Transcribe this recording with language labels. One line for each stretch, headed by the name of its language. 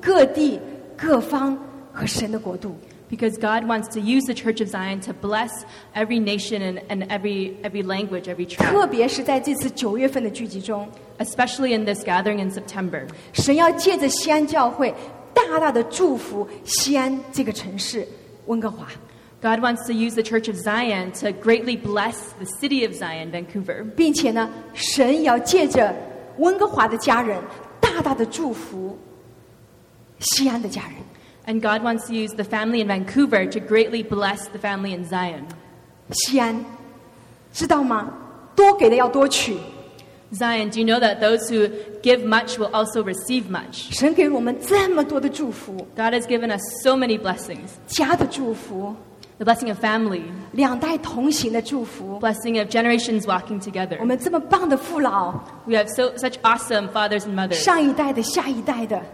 Chinese: 因为神要借着西安教会祝福各地各方和神的国度。
English: Because God wants to use the Church of Zion to bless every nation and every language, every tribe.
Chinese: 特别是在这次九月份的聚集中,
English: especially in this gathering in September.
Chinese: 神要借着西安教会大大的祝福西安这个城市温哥华。
English: God wants to use the Church of Zion to greatly bless the city of Zion, Vancouver.
Chinese: 并且呢, 神要借着温哥华的家人大大的祝福西安的家人。
English: And God wants to use the family in Vancouver to greatly bless the family in Zion.
Chinese: 西安, 知道吗?多给的要多取。
English: Zion, do you know that those who give much will also receive much?
Chinese: 神给我们这么多的祝福。
English: God has given us so many blessings.
Chinese: 家的祝福。
English: The blessing of family.
Chinese: 两代同行的祝福。
English: Blessing of generations walking together.
Chinese: 我们这么棒的父老。
English: We have such awesome fathers and mothers.
Chinese: 上一代的下一代的。